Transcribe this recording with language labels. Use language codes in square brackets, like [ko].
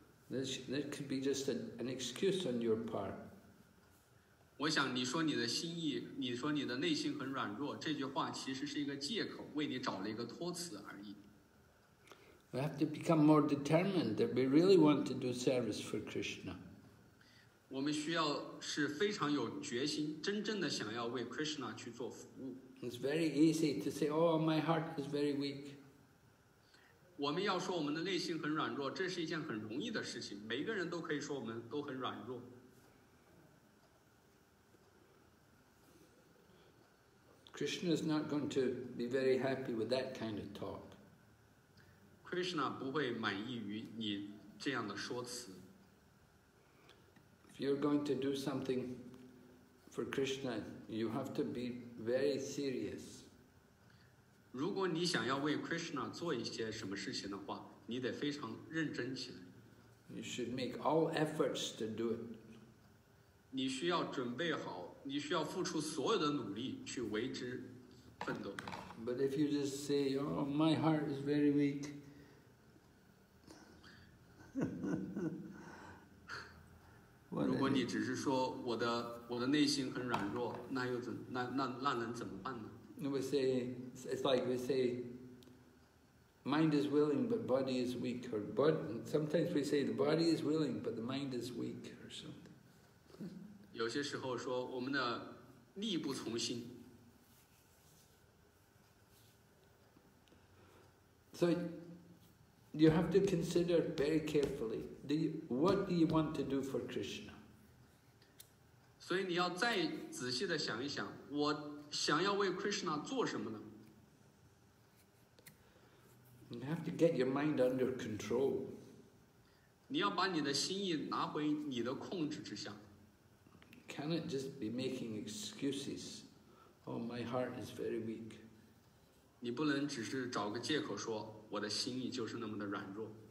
[en] That could be just an excuse on your part. [zh] 我想你说你的心意，你说你的内心很软弱，这句话其实是一个借口，为你找了一个托词而已。 [en] We have to become more determined that we really want to do service for Krishna. [zh] 我们需要是非常有决心，真正的想要为 Krishna 去做服务。 [en] It's very easy to say, oh, my heart is very weak. [zh] 我们要说我们的内心很软弱，这是一件很容易的事情，每个人都可以说我们都很软弱。 [en] Krishna is not going to be very happy with that kind of talk. [zh] Krishna 不会满意于你这样的说辞。 [en] If you're going to do something for Krishna, you have to be very serious. [zh] 如果你想要为 Krishna 做一些什么事情的话，你得非常认真起来。 [en] You should make all efforts to do it. [zh] 你需要准备好，你需要付出所有的努力去为之奋斗。 [en] But if you just say, "Oh, my heart is very weak." What、 [zh] 如果你只是说我的内心很软弱，那又怎那能怎么办呢 [en] ？We say it's like we say, mind is willing but body is weak, or but sometimes we say the body is willing but the mind is weak, or something. [zh] 有些时候说我们的力不从心。 [en] So you have to consider very carefully. What do you want to do for Krishna? [zh] 所以你要再仔细的想一想，我想要为 Krishna 做什么呢？ [en] You have to get your mind under control. [zh] 你要把你的心意拿回你的控制之下。 [en] Cannot just be making excuses. Oh, my heart is very weak. [zh] 你不能只是找个借口说我的心意就是那么的软弱。